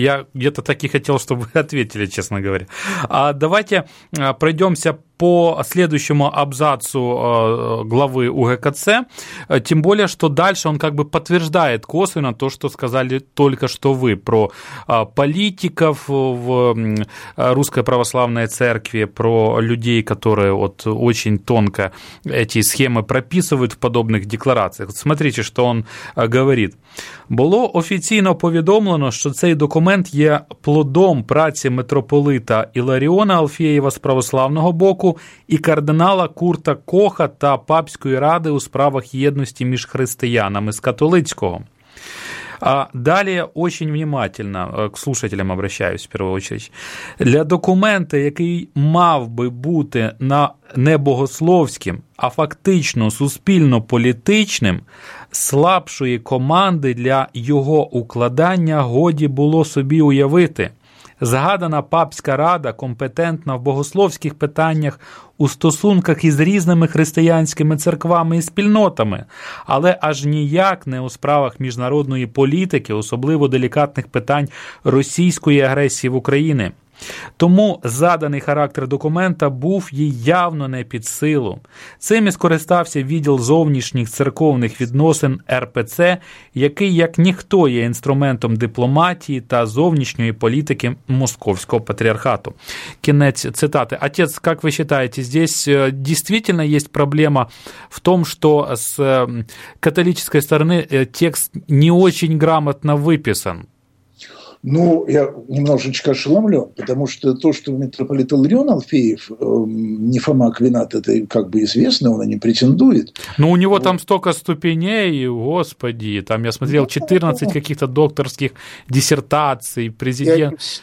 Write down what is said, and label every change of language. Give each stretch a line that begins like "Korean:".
Russian: Я где-то так и хотел, чтобы вы ответили, честно говоря. Давайте пройдемся по следующему абзацу главы УГКЦ, тем более, что дальше он как бы подтверждает косвенно то, что сказали только что вы про политиков в Русской Православной Церкви, про людей, которые вот очень тонко эти схемы прописывают в подобных деклараціях.
Ukrainian: Смотрите, що він говорить. Було офіційно повідомлено, що цей документ є плодом праці митрополита Іларіона Алфєєва з православного боку і кардинала Курта Коха та папської ради у справах єдності між християнами з католицького.
Russian: А далее очень внимательно к слушателям обращаюсь в первую очередь.
Ukrainian: Для документа, який мав би бути на не богословським, а фактично суспільно-політичним, слабшої команди для його укладання годі було собі уявити. Згадана папська рада компетентна в богословських питаннях у стосунках із різними християнськими церквами і спільнотами, але аж ніяк не у справах міжнародної політики, особливо делікатних питань російської агресії в Україні. Тому заданий характер документа був їй явно не під силу. Цим і скористався відділ зовнішніх церковних відносин РПЦ, який, як ніхто, є інструментом дипломатії та зовнішньої політики Московського патріархату. Кінець цитати. Отець, як ви вважаєте, здесь дійсно є проблема в тому, що з католицької сторони текст не дуже грамотно виписан?
Russian: Ну, я немножечко ошеломлен, потому что то, что митрополит Илларион Алфеев, Нифома Аквинат, это как бы известно, он и не претендует. Но у него вот там столько ступеней, господи, там я смотрел 14 каких-то докторских диссертаций, президент.